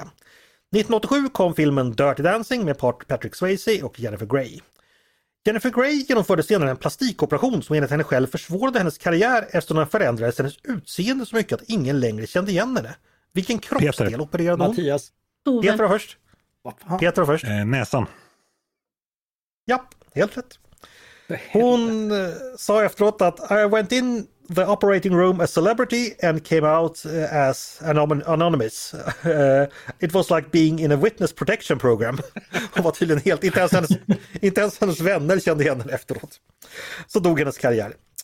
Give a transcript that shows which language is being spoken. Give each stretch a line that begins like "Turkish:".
Swedish: 1987 kom filmen Dirty Dancing med Patrick Swayze och Jennifer Grey. Jennifer Grey genomförde senare en plastikoperation som enligt henne själv försvårade hennes karriär eftersom den förändrade hennes utseende så mycket att ingen längre kände igen henne. Vilken kroppsdel opererade hon? Mattias. Peter först. Peter först. Näsan. Ja, helt rätt. Hon sa efteråt att
English: I went in the operating room as celebrity and came out as anonymous. It was like being in a witness protection program.
Swedish: Hon var tydligen helt, inte ens hennes vänner kände igen henne efteråt. Så dog hennes karriär.